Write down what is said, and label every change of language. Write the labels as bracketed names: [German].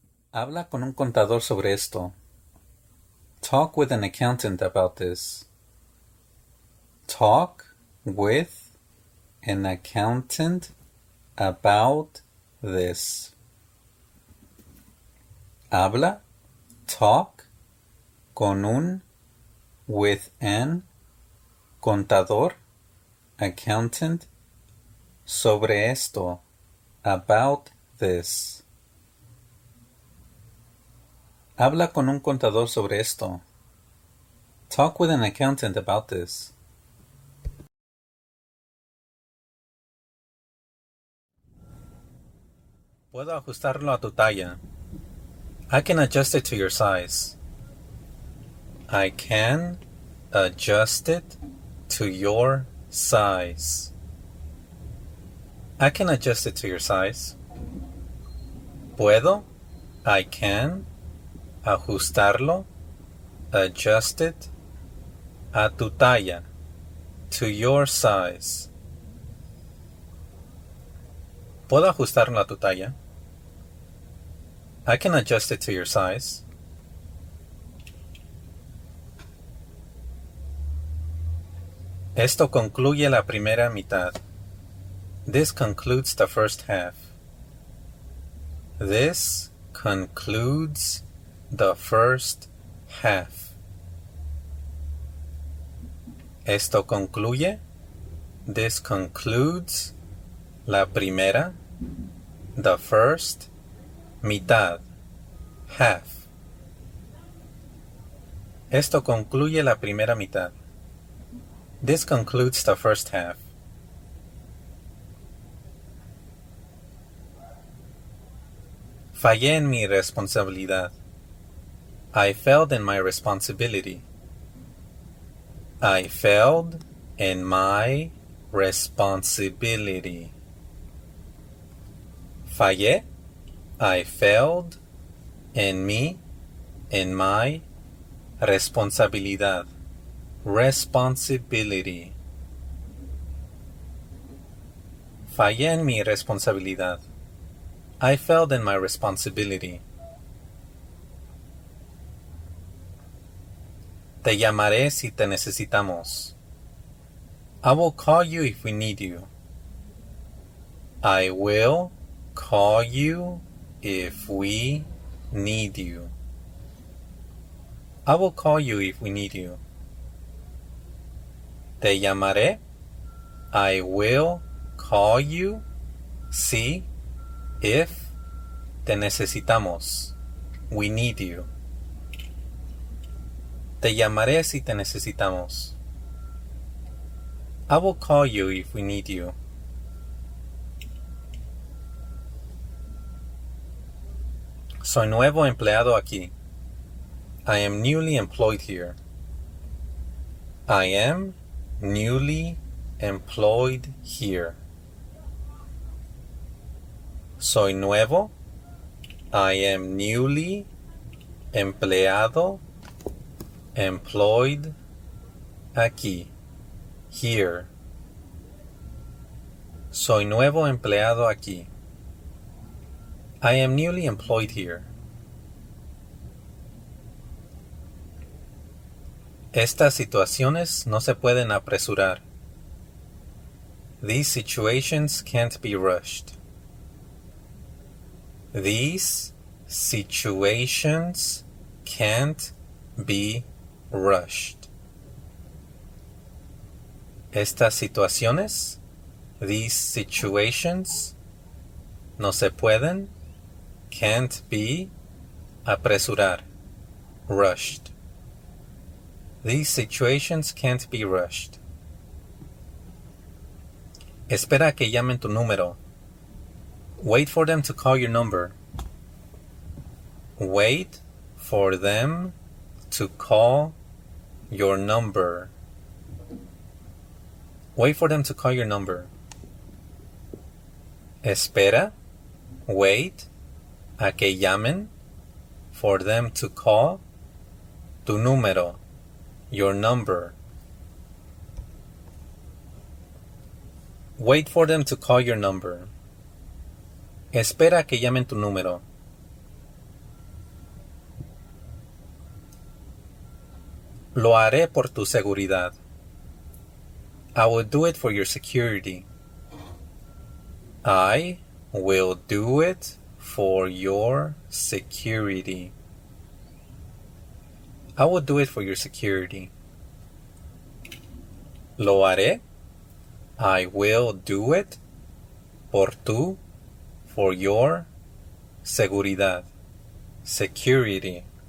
[Spanish] Habla con un contador sobre esto. [English] Talk with an accountant about this. Talk with an accountant about this. [Spanish] Habla, [English] talk, [Spanish] con un, [English] with an, [Spanish] contador, [English] accountant, [Spanish] sobre esto, [English] about this. [Spanish] Habla con un contador sobre esto. [English] Talk with an accountant about this. [Spanish] Puedo ajustarlo a tu talla. [English] I can adjust it to your size. I can adjust it to your size. I can adjust it to your size. [Spanish] Puedo, [English] I can, [Spanish] ajustarlo, [English] adjust it, [Spanish] a tu talla, [English] to your size. [Spanish] Puedo ajustarlo a tu talla. [English] I can adjust it to your size. [Spanish] Esto concluye la primera mitad. [English] This concludes the first half. This concludes the first half. [Spanish] Esto concluye. [English] This concludes [Spanish] la primera, [English] the first, [Spanish] mitad, [English] half. [Spanish] Esto concluye la primera mitad. [English] This concludes the first half. [Spanish] Fallé en mi responsabilidad. [English] I failed in my responsibility. I failed in my responsibility. [Spanish] Fallé. [English] I failed in my [Spanish] responsabilidad, [English] responsibility. [Spanish] Fallé en mi responsabilidad. [English] I failed in my responsibility. [Spanish] Te llamaré si te necesitamos. [English] I will call you if we need you. I will call you if we need you. I will call you if we need you. [Spanish] Te llamaré. [English] I will call you [Spanish] si, [English] if [Spanish] te necesitamos. [English] We need you. [Spanish] Te llamaré si te necesitamos. [English] I will call you if we need you. [Spanish] Soy nuevo empleado aquí. [English] I am newly employed here. I am newly employed here. [Spanish] Soy nuevo. [English] I am newly [Spanish] empleado. [English] Employed [Spanish] aquí. [English] Here. [Spanish] Soy nuevo empleado aquí. [English] I am newly employed here. [Spanish] Estas situaciones no se pueden apresurar. [English] These situations can't be rushed. These situations can't be rushed. [Spanish] Estas situaciones, [English] these situations, [Spanish] no se pueden, [English] can't be, [Spanish] apresurar, [English] rushed. These situations can't be rushed. [Spanish] Espera a que llamen tu número. [English] Wait for them to call your number. Wait for them to call your number. Wait for them to call your number. [Spanish] Espera, [English] wait, [Spanish] a que llamen, [English] for them to call [Spanish] tu número, [English] your number. Wait for them to call your number. [Spanish] Espera a que llamen tu número. Lo haré por tu seguridad. [English] I will do it for your security. I will do it for your security. I will do it for your security. [Spanish] Lo haré. [English] I will do it [Spanish] por tu, [English] for your [Spanish] seguridad. [English] Security.